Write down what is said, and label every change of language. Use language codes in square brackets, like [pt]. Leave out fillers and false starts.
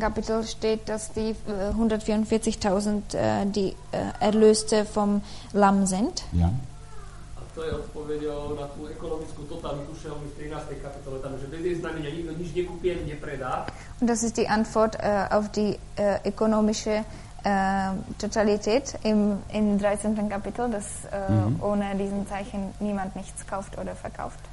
[de] Kapitel steht, dass die 144.000 die Erlöste vom Lamm sind. Ja. [cs] To je odpověď na tu ekonomickou totalitu Šelmy v 13. [sk] kapitole, tam, že bez jej znamenia nikto nič nekúpi ani nepredá. [de] Und das ist die Antwort auf die ökonomische Totalität im 13. Kapitel, dass ohne diesen Zeichen niemand nichts kauft oder verkauft.